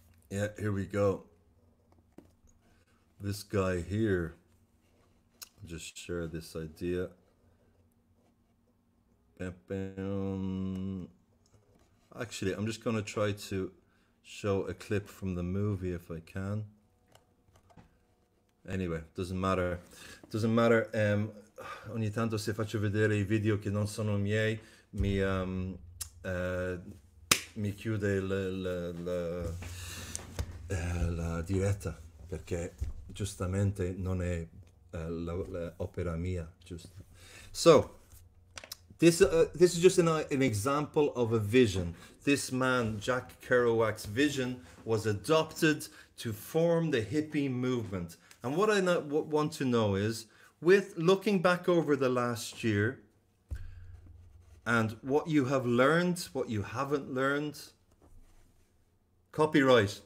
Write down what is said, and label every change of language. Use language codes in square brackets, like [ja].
[en] Yeah, here we go. This guy here. I'll just share this idea. Actually, I'm just going to try to show a clip from the movie if I can. Anyway, doesn't matter. Doesn't matter. [it] Ogni tanto se faccio vedere I video che non sono miei, mi chiude la diretta, perché giustamente non è l'opera mia, giusto? [en] So, this is just an example of a vision. This man, Jack Kerouac's vision, was adopted to form the hippie movement. And what I want to know is, with looking back over the last year and what you have learned, what you haven't learned, copyright.